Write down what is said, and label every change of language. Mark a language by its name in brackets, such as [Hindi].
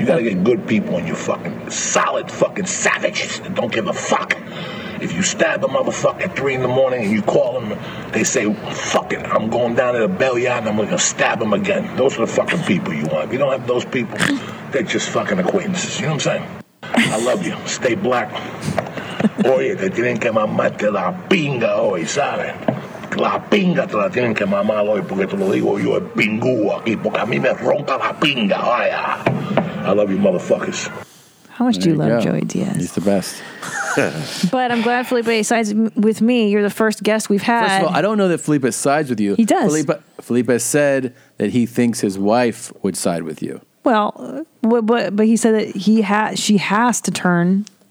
[English] You gotta get good people in your fucking solid fucking savages that don't give a fuck. If you stab a motherfucker at 3 a.m. and you call them, they say, fuck it, I'm going down to the bell yard and I'm gonna stab them again. Those are the fucking people you want. If you don't have those people, they're just fucking acquaintances. You know what I'm saying? I love you. Stay black. [Spanish] Oye, te tienen que mamar de la pinga hoy, ¿sabes? La pinga te la tienen que mamar hoy porque te lo digo yo, el pingú aquí, porque a mí me ronca la pinga. [English] Vaya. I love you, motherfuckers. How much there do you love Joey Diaz? He's the best. But I'm glad Felipe sides with me. You're the first guest we've had. First of all, I don't know that Felipe sides with you. He does. Felipe said that he thinks his wife would side with you. Well, but he said that she has to turn.